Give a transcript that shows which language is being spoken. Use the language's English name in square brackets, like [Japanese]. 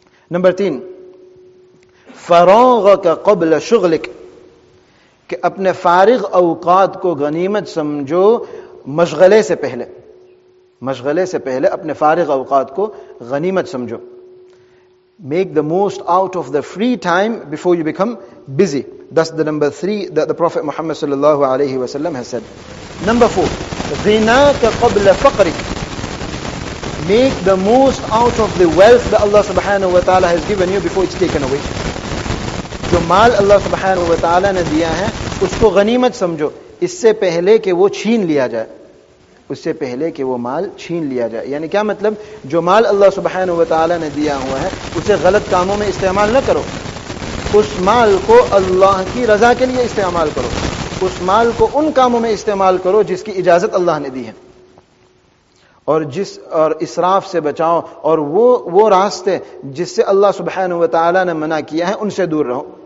[Arabic] نمبر 3, فراغك قبل شغلك. [Urdu] کہ اپنے فارغ اوقات کو غنیمت سمجھو مشغلے سے پہلے. مشغلے سے پہلے اپنے فارغ اوقات کو غنیمت سمجھو. [English] Make the most out of the free time before you become busy. That's the number 3 that the Prophet Muhammad sallallahu alayhi wa sallam has said. Number 4, [Arabic] غناك قبل فقرك. [English] Make the most out of the wealth that Allah subhanahu wa ta'ala has given you before it's taken away. [Urdu] جو مال اللہ سبحانہ و تعالی نے دیا ہے اس کو غنیمت سمجھو اس سے پہلے کہ وہ چھین لیا جائے, اس سے پہلے کہ وہ مال چھین لیا جائے. یعنی کیا مطلب؟ جو مال اللہ سبحانہ و تعالی نے دیا ہوا ہے اسے غلط کاموں میں استعمال نہ کرو, اس مال کو اللہ کی رضا کے لیے استعمال کرو, اس مال کو ان کاموں میں استعمال کرو جس کی اجازت اللہ نے دی ہے, اور اسراف سے بچاؤ, اور وہ راستے جس سے اللہ سبحانہ و تعالی نے منع کیا ہے ان سے دور رہو.